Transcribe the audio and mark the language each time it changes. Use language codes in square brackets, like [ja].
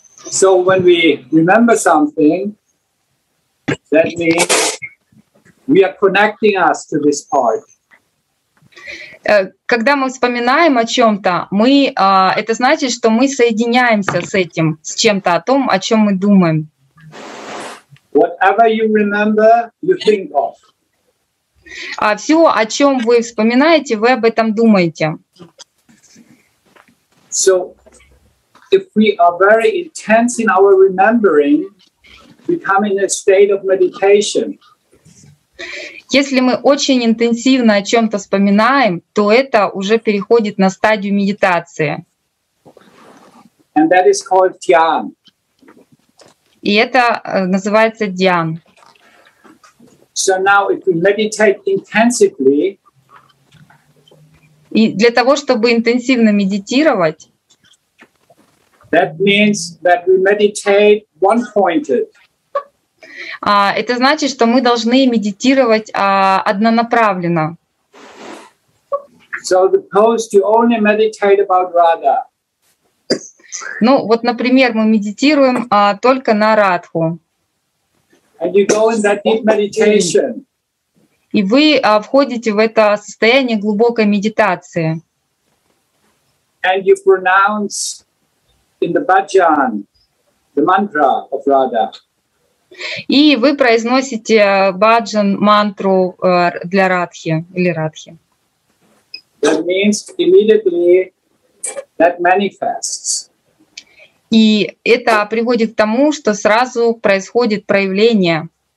[en] So when we remember something, that means we are connecting us to this part. [ru] Когда мы вспоминаем о чем-то, мы это значит, что мы соединяемся с этим, с чем-то, о том, о чем мы думаем. [en] Whatever you remember, you think of. [ru] Все, о чем вы вспоминаете, вы об этом думаете. [en] So, if we are very intense in our remembering, become in a state of meditation. [ru] Если мы очень интенсивно о чем-то вспоминаем, то это уже переходит на стадию медитации. [en] And that is called Dhyan. [ru] И это называется Дьян. [en] So now, if we meditate intensively, [ru] и для того, чтобы интенсивно медитировать, [en] that means that we meditate one-pointed. [ru] Это значит, что мы должны медитировать однонаправленно. [en] So the pose, you only meditate about Radha. [ru] Ну, вот, например, мы медитируем только на Радху. [en] And you go in that deep meditation. [ru] И вы входите в это состояние глубокой медитации. [en] And you pronounce in the bhajan, the mantra of Radha. [ru] И вы произносите баджан, мантру для Радхи или Радхи. [en] That means immediately that manifests. [ru] И это приводит к тому, что сразу происходит проявление.